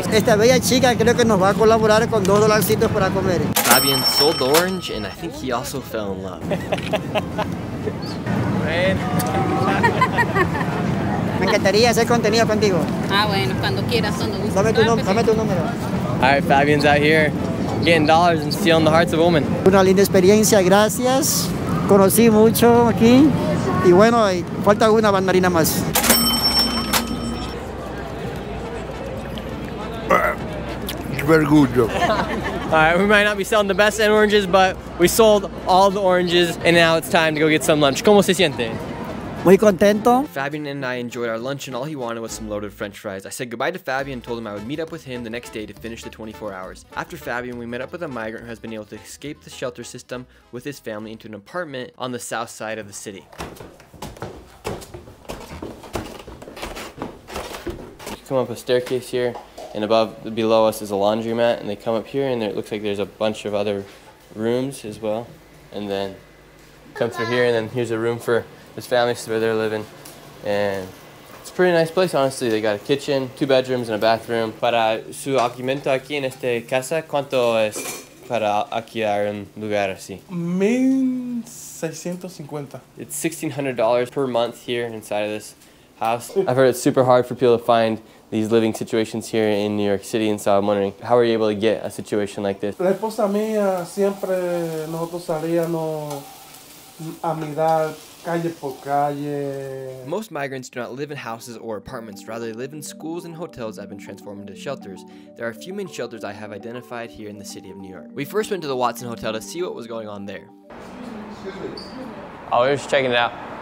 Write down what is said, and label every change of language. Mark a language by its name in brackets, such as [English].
[Spanish] Esta bella chica creo que nos va a colaborar con $2 para comer. [English] Fabian sold the orange, and I think he also fell in love. [Spanish] Me encantaría hacer contenido contigo. Ah, bueno, cuando quieras, cuando gustes. Dame tu número. [English] All right, Fabian's out here getting dollars and stealing the hearts of women. [Spanish] Una linda experiencia, gracias. Conocí mucho aquí, y bueno, falta una mandarina más. [English] Very good. Alright, we might not be selling the best oranges, but we sold all the oranges, and now it's time to go get some lunch. [Spanish] ¿Cómo se siente? Muy contento. [English] Fabian and I enjoyed our lunch, and all he wanted was some loaded french fries. I said goodbye to Fabian and told him I would meet up with him the next day to finish the 24 hours. After Fabian, we met up with a migrant who has been able to escape the shelter system with his family into an apartment on the south side of the city. You come up a staircase here, and above, below us is a laundromat, and they come up here, and it looks like there's a bunch of other rooms as well. And then come through here, and then here's a room for his family, where they're living, and it's a pretty nice place, honestly. They got a kitchen, 2 bedrooms, and a bathroom. [Spanish] Para su alquimento aquí en esta casa, ¿cuánto es para alquilar un lugar así? $1,650. [English] It's $1,600 per month here inside of this house. I've heard it's super hard for people to find these living situations here in New York City, and so I'm wondering, how are you able to get a situation like this? [Spanish] La esposa mía siempre nosotros salíamos a mirar. [English] Most migrants do not live in houses or apartments. Rather, they live in schools and hotels that have been transformed into shelters. There are a few main shelters I have identified here in the city of New York. We first went to the Watson Hotel to see what was going on there. Excuse me. Oh, we're just checking it out.